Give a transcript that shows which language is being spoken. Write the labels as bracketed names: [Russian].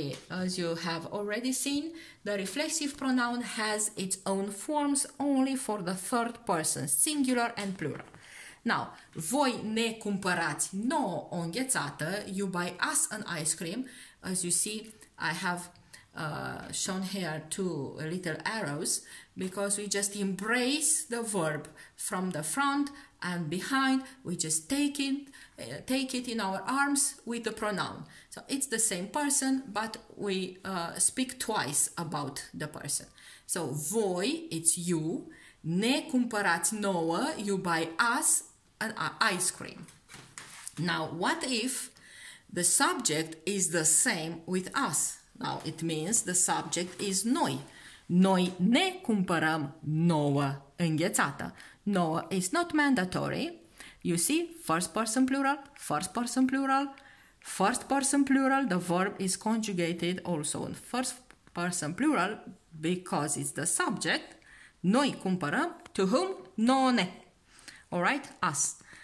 [English] As you have already seen, the reflexive pronoun has its own forms only for the third person, singular and plural. Now, [Romanian] voi ne cumpărați nouă o înghețată, [English] you buy us an ice cream. As you see, I have shown here two little arrows because we just embrace the verb from the front and behind. We just take it in our arms with the pronoun. So it's the same person, but we speak twice about the person. So voi, it's you, [Romanian] ne cumpărați nouă, [English] you buy us an ice cream. Now, what if the subject is the same with us? Now, it means the subject is noi. [Romanian] Noi ne cumpărăm nouă înghețată. [English] Nouă is not mandatory. You see, first person plural, First person plural, the verb is conjugated also in first person plural because it's the subject. [Romanian] Noi cumpărăm. [English] To whom? None. All right? Us.